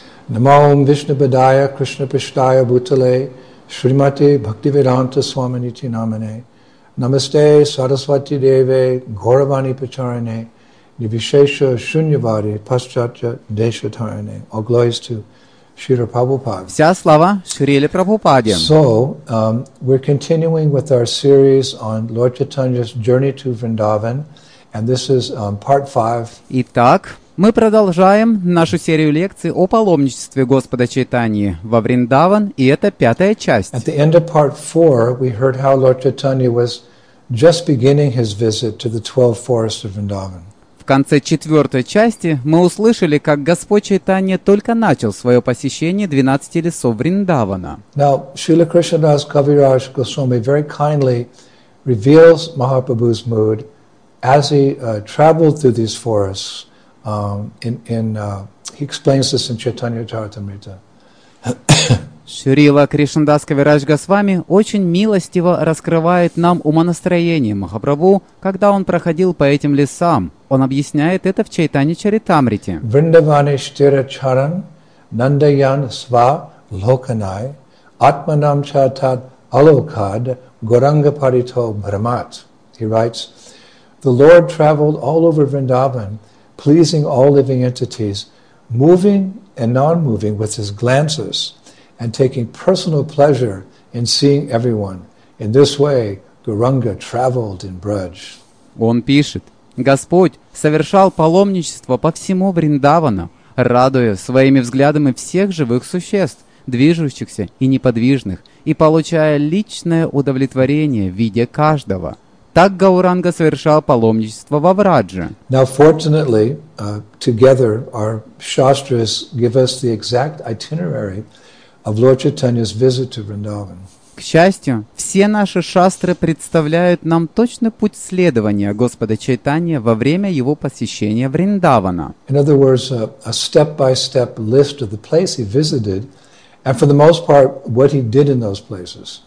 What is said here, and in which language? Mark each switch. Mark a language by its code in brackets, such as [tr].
[sa] Namo Vishnu Padaya Krishna Pishtaya Bhutale Shrimati Bhaktivedanta Swaminiti Namane Namaste Saraswati Deve Gauravani Pacharane Nivishesha Shunyavari Paschatya Deshatarane. [en] All glories to Srila Prabhupada. [ru] Вся слава Шриле Прабхупаде. [en] So, we're continuing with our series on Lord Chaitanya's journey to Vrindavan, and this is part 5. [ru] Итак, мы продолжаем нашу серию лекций о паломничестве Господа Чайтаньи во Вриндаван, и это пятая часть. [en] At the end of part 4, we heard how Lord Chaitanya was just beginning his visit to the 12 forests of Vrindavan. [ru] В конце четвертой части мы услышали, как Господь Чайтанья только начал свое посещение 12 лесов Вриндавана. [en] Now, Srila Krishnadas Kaviraj Goswami very kindly reveals Mahaprabhu's mood as he traveled through these forests. He explains this in Chaitanya Charitamrita. [ru] Шрила Кришнадас Кавирадж Госвами очень милостиво раскрывает нам умонастроение Махапрабху, когда он проходил по этим лесам. Он объясняет это в Чайтанья Чаритамрите. [sa] Вриндаване Штира Чаран Нандаян Сва Локанай Атманам Чатат Алокад Горанга Парито Брамат. [en] He writes, the Lord traveled all over Vrindavan, pleasing all living entities, moving and non-moving with his glances, and taking personal pleasure in seeing everyone. In this way, Gauranga traveled in Braj. [ru] Он пишет, Господь совершал паломничество по всему Вриндавану, радуя своими взглядами всех живых существ, движущихся и неподвижных, и получая личное удовлетворение в виде каждого. Так Гауранга совершал паломничество во Врадже. [en] Now, fortunately, together our shastras give us the exact itinerary of Lord Chaitanya's visit to Vrindavan. [ru] К счастью, все наши шастры представляют нам точный путь следования Господа Чайтанья во время его посещения Вриндавана. [en] In other words, a step-by-step list of the place he visited, and for the most part, what he did in those places.